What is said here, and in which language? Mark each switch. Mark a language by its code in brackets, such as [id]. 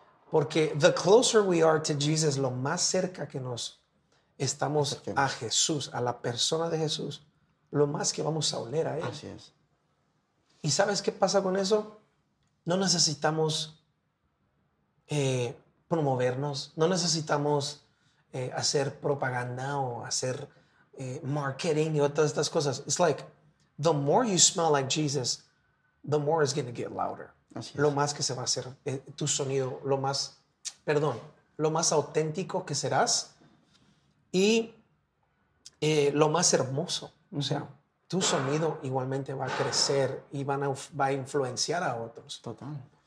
[es] Porque [en] the closer we are to Jesus, [es] lo más cerca que nos estamos a Jesús, a la persona de Jesús, lo más que vamos a oler a Él. Así es. ¿Y sabes qué pasa con eso? No necesitamos promovernos, no necesitamos hacer propaganda o hacer marketing y todas estas cosas. [en] It's like, the more you smell like Jesus, the more it's going to get louder. [es] Así lo es. Más que se va a hacer tu sonido, lo más, perdón, lo más auténtico que serás y lo más hermoso. Uh-huh. O sea, tu sonido igualmente va a crecer y va a influenciar a otros. Total.